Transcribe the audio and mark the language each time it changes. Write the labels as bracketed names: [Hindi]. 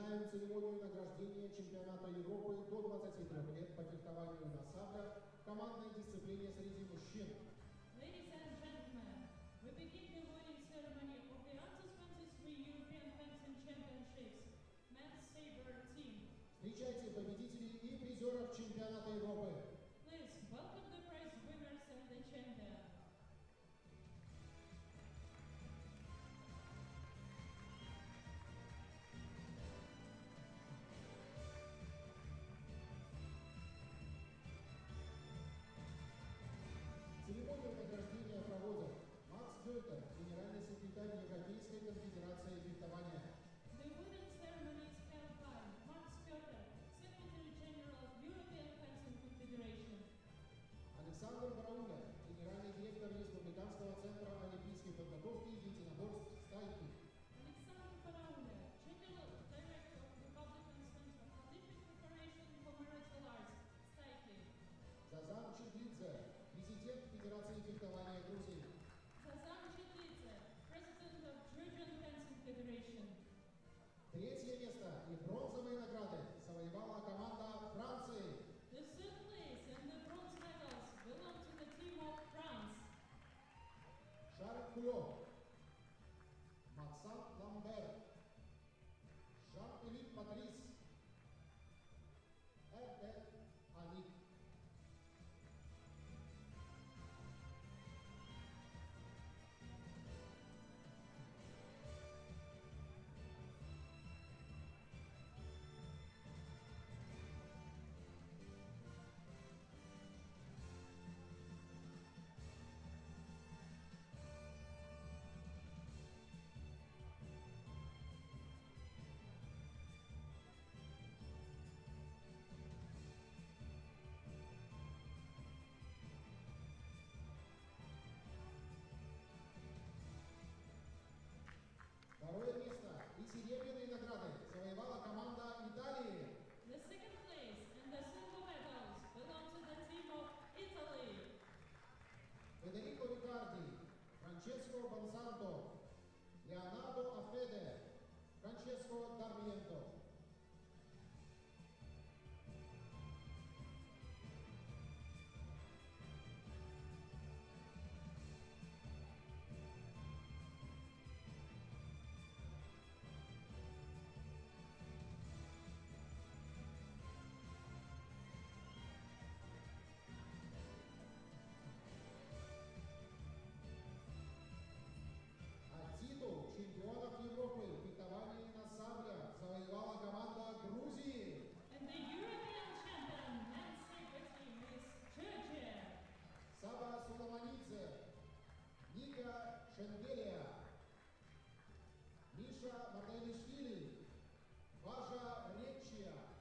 [Russian] церемонию награждения чемпионата Европы до 23 лет по фехтованию на саблях в командной дисциплине среди мужчин. [English] Ladies and gentlemen, we begin the awarding ceremony of the Under 23 European Fencing Championships Men's Saber Team. [Russian] Встречайте победителей и призеров чемпионата Европы. [English] Please welcome the prize winners and the champion. [Russian] Церемонию награждения проводят Макс Гёльтер, генеральный секретарь Европейской конфедерации фехтования. [English] The winning ceremony is held by Макс Гёльтер, Secretary General of European Fencing Confederation. [Russian] Александр Барауля, генеральный директор Республиканского центра олимпийской подготовки и единоборств «Стайки». [English] Александр Барауля, General Director of Republican Center of Olympic Preparation for Martial Arts, «Стайки». [Russian] Зазан Чердидзе, президент Федерации фехтования Грузии. [English] Зазан Чердидзе, [Russian] президент [English] Georgian Fencing Federation. [Russian] Третье место и бронзовые награды завоевала команда Франции. [English] The third place and the bronze medals belong to the team of France. [Russian] Шарль Кулло, Максан Ламбер, Жан-Филипп Матрис, Эрбер Аник. Серебряные награды завоевала команда Италии. [English] The second place and the silver medals belong to the team of Italy. [Russian] Федерико Рикарди, Франческо Бонсанто, Леонардо Афеде, Франческо Дарвиенто. Чемпионов Европы в фехтовании на саблях завоевала команда Грузии. [English] And the European champion men's saber team is Georgia. [Russian] Саба Суламанидзе, Ника Шенделия, Миша Мартелишвили, Важа Речия.